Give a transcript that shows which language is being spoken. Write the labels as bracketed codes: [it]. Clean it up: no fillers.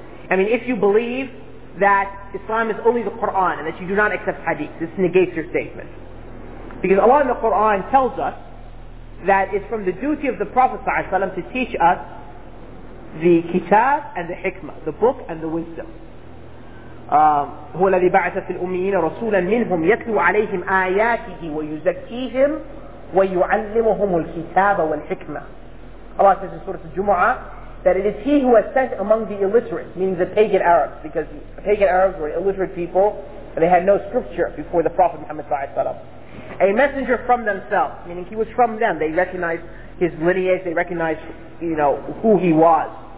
[en] I mean, if you believe that Islam is only the Quran and that you do not accept hadith, this negates your statement. Because Allah in the Quran tells us that it's from the duty of the Prophet ﷺ to teach us the kitab and the hikmah, the book and the wisdom. [ar] هو الذي بعث في الأميين رسولا منهم يتلو عليهم آياته ويزكيهم ويعلمهم الكتاب والحكمة. [en] Allah says in Surah Al-Jumu'ah that it is He who has sent among the illiterate, meaning the pagan Arabs, because the pagan Arabs were illiterate people and they had no scripture before the Prophet Muhammad ﷺ, a messenger from themselves, meaning he was from them. They recognized his lineage, they recognized, you know, who he was.